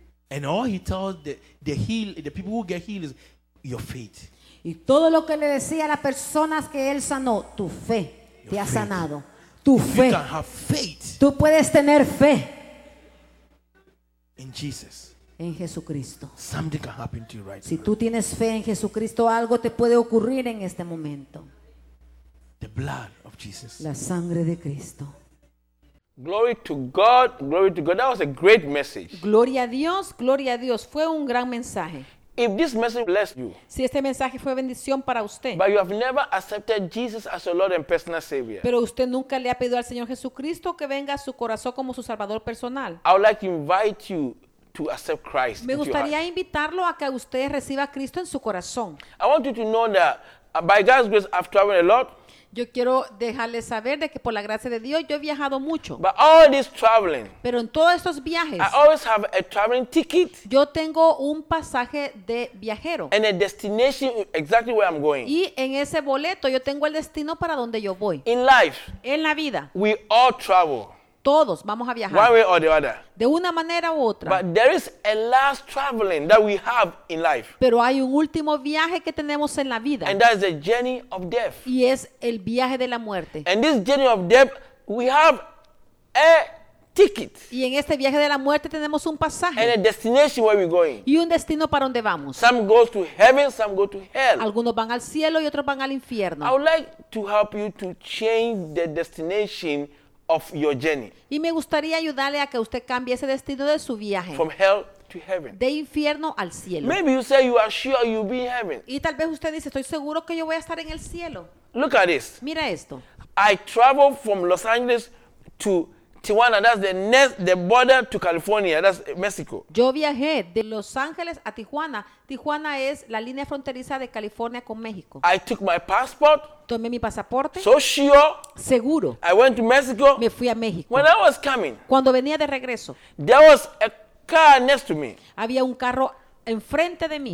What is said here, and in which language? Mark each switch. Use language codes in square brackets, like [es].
[en] And all he told the people who get healed is your faith. [es] Y todo lo que le decía a las personas que él sanó, tu fe [en] your [es] te ha [en] faith. [es] Sanado. Tu [en] if [es] fe. [en] You can have faith. [es] Tú puedes tener fe. [en] In Jesus. [es] En Jesucristo. [en] Something can happen to you right [es] si [en] now. [es] Tú tienes fe en Jesucristo, algo te puede ocurrir en este momento. [en] The blood of Jesus. [es] La sangre de Cristo. [en] Glory to God, glory to God. That was a great message. [es] Gloria a Dios, fue un gran mensaje. [en] If this message blessed you, [es] si este mensaje fue bendición para usted, [en] but you have never accepted Jesus as your Lord and personal Savior, [es] pero usted nunca le ha pedido al Señor Jesucristo que venga a su corazón como su Salvador personal, [en] I would like to invite you to accept Christ. [es] Me gustaría invitarlo a que usted reciba a Cristo en su corazón. [en] I want you to know that by God's grace I've traveled a lot. [es] Yo quiero dejarle saber de que por la gracia de Dios yo he viajado mucho. [en] But all this traveling. [es] Pero en todos estos viajes. [en] I always have a traveling ticket. [es] Yo tengo un pasaje de viajero. [en] And a destination exactly where I'm going. [es] Y en ese boleto yo tengo el destino para donde yo voy. [en] In life. [es] En la vida. [en] We all travel. [es] Todos vamos a viajar. [en] One way or the other. [es] De una manera u otra. [en] But there is a last traveling that we have in life. [es] Pero hay un último viaje que tenemos en la vida. [en] And that is the journey of death. [es] Y es el viaje de la muerte. [en] And this journey of death, we have a ticket. [es] Y en este viaje de la muerte tenemos un pasaje. [en] And a destination where we're going. [es] Y un destino para donde vamos. [en] Some go to heaven, some go to hell. [es] Algunos van al cielo y otros van al infierno. [en] I would like to help you to change the destination of your journey. [es] Y me gustaría ayudarle a que usted cambie ese destino de su viaje. [en] From hell to heaven. [es] De infierno al cielo. [en] Maybe you say you are sure you'll be in heaven. [es] Y tal vez usted dice, estoy seguro que yo voy a estar en el cielo. [en] Look at this. [es] Mira esto. [en] I travel from Los Angeles to Tijuana, that's the border to California, that's Mexico. [es] Yo viajé de Los Ángeles a Tijuana. Tijuana es la línea fronteriza de California con México. [en] I took my passport. [es] Tomé mi pasaporte. [en] So sure. [es] Seguro. [en] I went to Mexico. [es] Me fui a México. [en] When I was coming. [es] Cuando venía de regreso. [en] There was a car next to me. [es] Había un carro enfrente de mí.